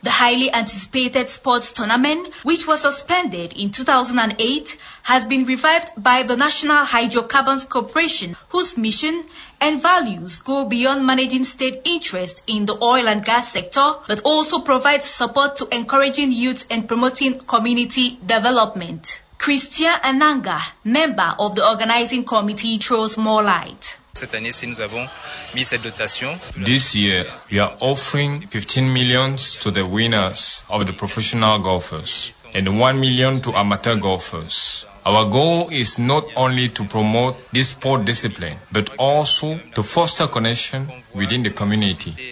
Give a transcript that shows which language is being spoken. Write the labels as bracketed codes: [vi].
[en] The highly anticipated sports tournament, which was suspended in 2008, has been revived by the National Hydrocarbons Corporation, whose mission and values go beyond managing state interest in the oil and gas sector, but also provides support to encouraging youth and promoting community development. Christian Ananga, member of the organizing committee, throws more light. [fr] Cette année, si nous avons mis cette dotation. [en] This year, we are offering 15 million to the winners of the professional golfers and 1 million to amateur golfers. Our goal is not only to promote this sport discipline, but also to foster connection within the community.